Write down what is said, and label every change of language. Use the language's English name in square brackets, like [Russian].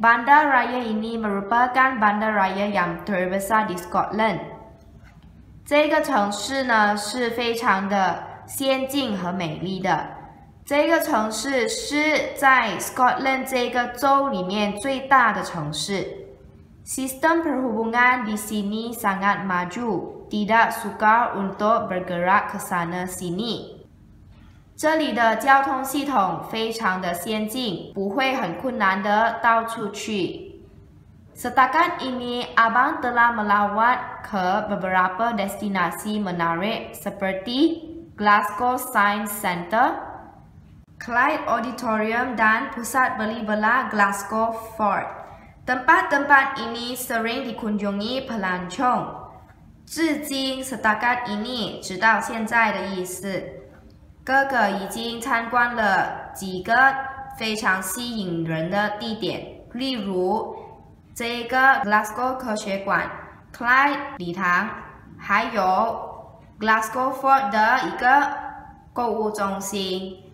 [Malay] Bandar Raya ini merupakan bandar raya yang terbesar di Scotland. [Chinese] 这个城市呢是非常的先进和美丽的。这个城市是在 Scotland 这个州里面最大的城市。 [Malay] Sistem perhubungan di sini sangat maju. Tidak sukar untuk bergerak ke sana sini. [Chinese] 这里的交通系统非常的先进，不会很困难的到处去。 [Malay] Setakat ini, abang telah melawat ke beberapa destinasi menarik seperti Glasgow Science Centre, Clyde Auditorium dan Pusat Beli-Belah Glasgow Fort. Tempat-tempat ini sering dikunjungi pelancong. [Chinese] 至今 ， [Malay] setakat ini， [Chinese] 直到现在的意思。哥哥已经参观了几个非常吸引人的地点，例如这个 Glasgow 科学馆、Clyde 礼堂，还有 Glasgow Fort 的一个购物中心。